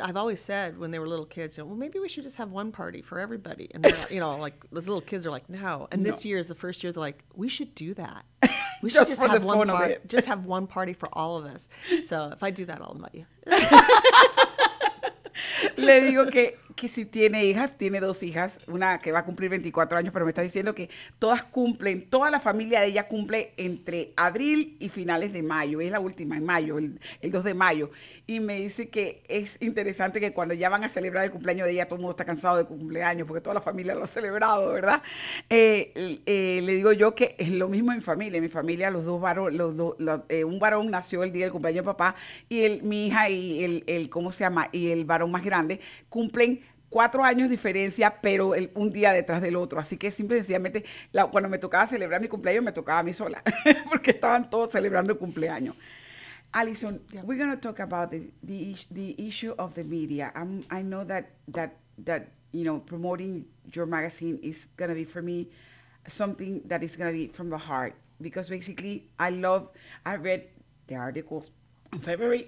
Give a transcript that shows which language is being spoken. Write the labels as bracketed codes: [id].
[en] I've always said when they were little kids, you know, well, maybe we should just have one party for everybody. And they're, you know, like those little kids are like, no. And this year is the first year they're like, we should do that. We should just have one party. Just have one party for all of us. So if I do that, I'll invite you. [es] Le digo que que si tiene hijas, tiene dos hijas, una que va a cumplir 24 años, pero me está diciendo que todas cumplen, toda la familia de ella cumple entre abril y finales de mayo, es la última, en mayo, el 2 de mayo, y me dice que es interesante que cuando ya van a celebrar el cumpleaños de ella, todo el mundo está cansado de cumpleaños, porque toda la familia lo ha celebrado, ¿verdad? Le digo yo que es lo mismo en mi familia, los dos varones, un varón nació el día del cumpleaños de papá, y mi hija y el varón más grande cumplen 4 años diferencia, pero un día detrás del otro. Así que simple y sencillamente, cuando me tocaba celebrar mi cumpleaños, me tocaba a mí sola, porque estaban todos celebrando el cumpleaños. [en] Alison, yeah. We're going to talk about the issue of the media. I know that you know, promoting your magazine is going to be, for me, something that is going to be from the heart. Because basically, I read the articles in February.